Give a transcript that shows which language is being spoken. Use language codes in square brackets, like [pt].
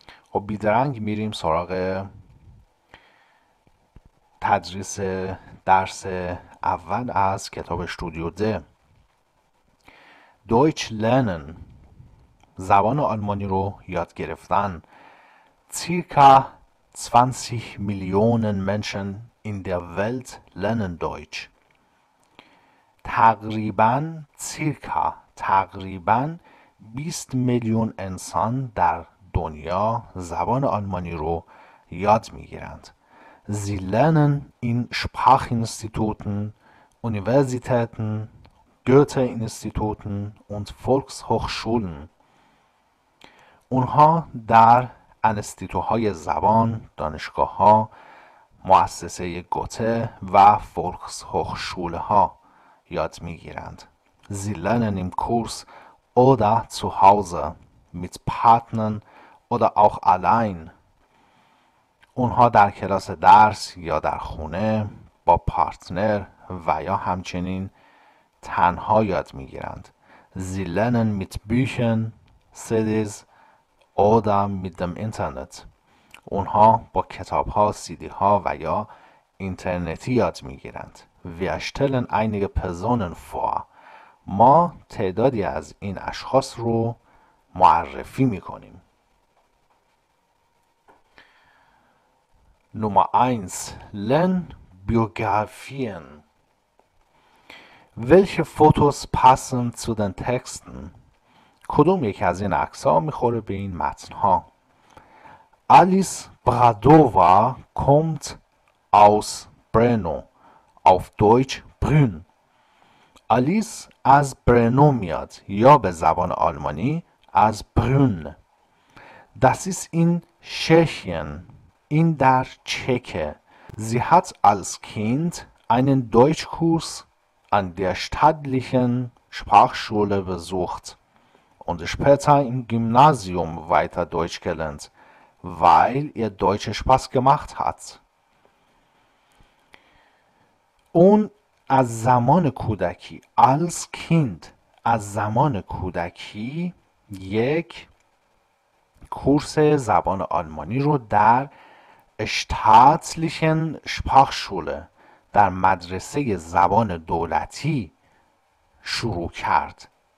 [fa] خب بیدرنگ میریم سراغ تدریس درس اول از کتاب استودیو د. [de] Deutsch lernen. [fa] زبان آلمانی رو یاد گرفتن. [de] Circa 20 Millionen Menschen in der Welt lernen Deutsch. [fa] تقریباً 20 میلیون انسان در دنیا زبان آلمانی رو یاد میگیرند. [de] Sie lernen in Sprachinstituten, Universitäten, Goethe-Instituten und Volkshochschulen. [fa] اونها در انستیتوهای زبان، دانشگاه‌ها، مؤسسه گوته و فولکس‌هوخشوله‌ها یاد میگیرند. [de] Sie lernen im Kurs oder zu Hause mit Partnern oder auch allein. [fa] اونها در کلاس درس یا در خونه با پارتنر و یا همچنین تنها یاد میگیرند. [de] Sie lernen mit Büchern, CDs oder mit dem Internet. [fa] اونها با کتابها، CDها و یا اینترنتی یاد میگیرند. [de] Wir stellen einige Personen vor. [fa] ما تعدادی از این اشخاص رو معرفی میکنیم. [de] نمبر 1. Lern Biografien. Welche Fotos passen zu den Texten? [fa] کدوم یکی از این عکس‌ها میخوره به این متن‌ها؟ [de] Alice Bradova kommt aus Brno. Auf Deutsch Brünn. [fa] آلیس از برنو میاد یا به زبان آلمانی از برن. [de] Das ist in Tschechien. [fa] این در چکه. [de] Sie hat als Kind einen Deutschkurs an der staatlichen Sprachschule besucht und später im Gymnasium weiter Deutsch gelernt, weil ihr Deutsch Spaß gemacht hat. [fa] Und از زمان کودکی، [de] als Kind، [fa] از زمان کودکی یک کورس زبان آلمانی رو در [de] staatlichen Sprachschule، [fa] در مدرسه زبان دولتی شروع کرد.